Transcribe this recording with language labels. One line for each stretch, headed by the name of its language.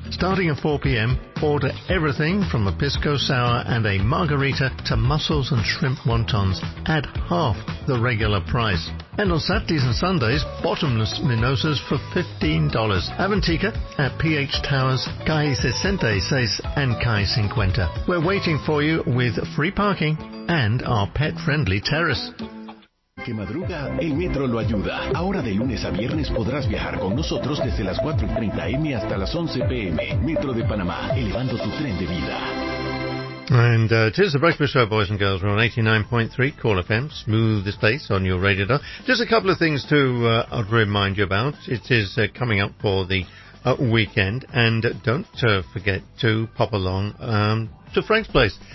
English: Starting at 4 p.m., order everything from a pisco sour and a margarita to mussels and shrimp wontons at half the regular price. And on Saturdays and Sundays, bottomless mimosas for $15. Avantika at PH Towers, Calle 66 and Calle 50. We're waiting for you with free parking and our pet-friendly terrace.
Spanish: Que madruga, el metro lo ayuda. Ahora de lunes a viernes podrás viajar con nosotros desde las 4:30 a.m. hasta las 11 p.m. Metro de Panamá, elevando tu tren de vida.
English: And it is the Breakfast Show, boys and girls. We're on 89.3, Call FM, smoothest place on your radio. Just a couple of things to remind you about. It is coming up for the weekend, and don't forget to pop along to Frank's place.